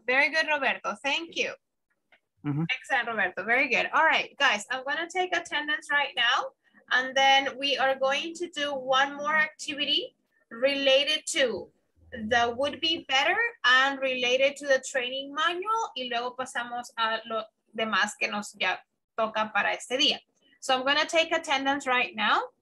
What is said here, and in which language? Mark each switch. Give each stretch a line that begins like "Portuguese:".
English: Very good, Roberto. Thank you. Mm-hmm. Excellent, Roberto. Very good. All right, guys, I'm going to take attendance right now. And then we are going to do one more activity related to the would be better and related to the training manual.
Spanish: Y luego pasamos a lo demás que nos ya toca para este día.
English: So I'm going to take attendance right now.